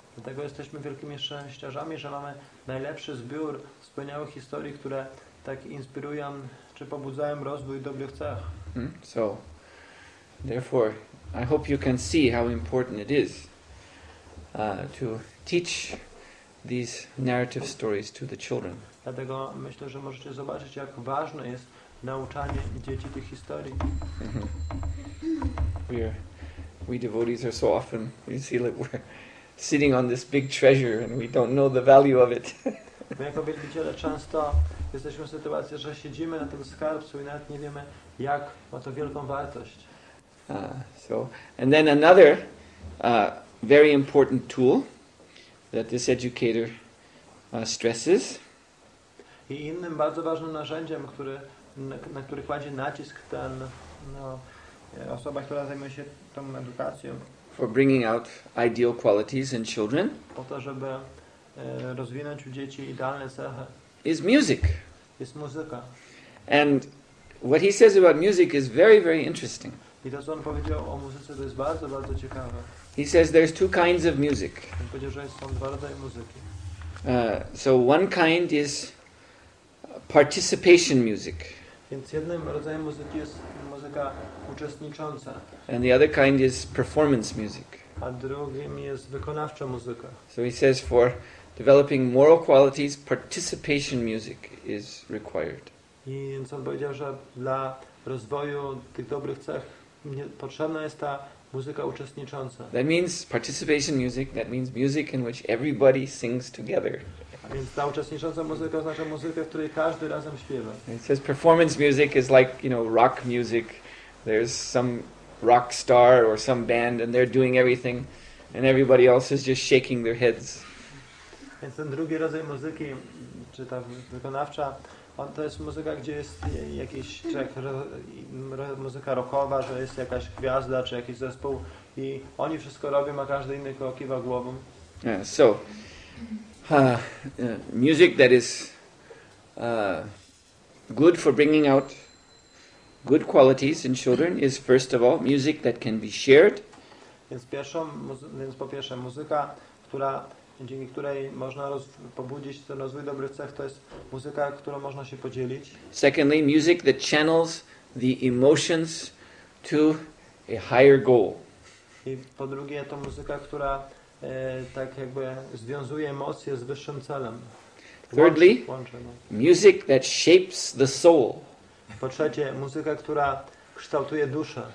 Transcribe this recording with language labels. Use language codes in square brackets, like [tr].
[pl] Dlatego jesteśmy wielkimi szczęściarzami, że mamy najlepszy zbiór wspaniałych historii, które tak inspirują czy pobudzają rozwój dobrych cech. [en] So, therefore, I hope you can see how important it is to teach these narrative stories to the children. [pl] Dlatego myślę, że możecie zobaczyć, jak ważne jest, nauczanie dzieci tych historii. [en] We devotees are so often, you see, like we're sitting on this big treasure and we don't know the value of it. [pl] My jako wielbiciele często jesteśmy w sytuacji, że siedzimy na tym skarbcu i nawet nie wiemy, jak ma to wielką wartość. [en] And then another very important tool that this educator stresses. [pl] I innym bardzo ważnym narzędziem, który, na który kładzie nacisk ten osoba, która zajmuje się tą edukacją. [en] For bringing out ideal qualities in children. [pl] Po to, żeby rozwinąć u dzieci idealne cechy. [en] Is music. [pl] Jest muzyka. [en] And what he says about music is very, very interesting. [pl] I to, co on powiedział o muzyce, to jest bardzo, bardzo ciekawe. [en] He says there's two kinds of music. [pl] On powiedział, że są dwa rodzaje muzyki. [en] So one kind is participation music. [pl] Więc jednym rodzajem muzyki jest muzyka uczestnicząca. [en] And the other kind is performance music. [pl] A drugim jest wykonawcza muzyka. [en] So he says for developing moral qualities, participation music is required. [pl] I więc on powiedział, że dla rozwoju tych dobrych cech potrzebna jest ta muzyka uczestnicząca. [en] That means participation music, that means music in which everybody sings together. [pl] Więc ta uczestnicząca muzyka oznacza muzykę, w której każdy razem śpiewa. [en] It says performance music is like, you know, rock music. There's some rock star or some band and they're doing everything and everybody else is just shaking their heads. [pl] Więc ten drugi rodzaj muzyki, czy ta wykonawcza, on, to jest muzyka, gdzie jest jakiś człowiek, muzyka rockowa, że jest jakaś gwiazda, czy jakiś zespół i oni wszystko robią, a każdy inny kiwa głową. [en] Yeah, so... music that is good for bringing out good qualities in children is first of all music that can be shared. [pl] Więc po pierwsze muzyka, która dzięki której można pobudzić ten rozwój dobrych cech, to jest muzyka, którą można się podzielić. [en] Secondly, music that channels the emotions to a higher goal. [pl] I po drugie to muzyka, która tak jakby związuje emocje z wyższym celem. [en] Thirdly, music that shapes the soul. [pl] Po trzecie, muzyka, która kształtuje duszę.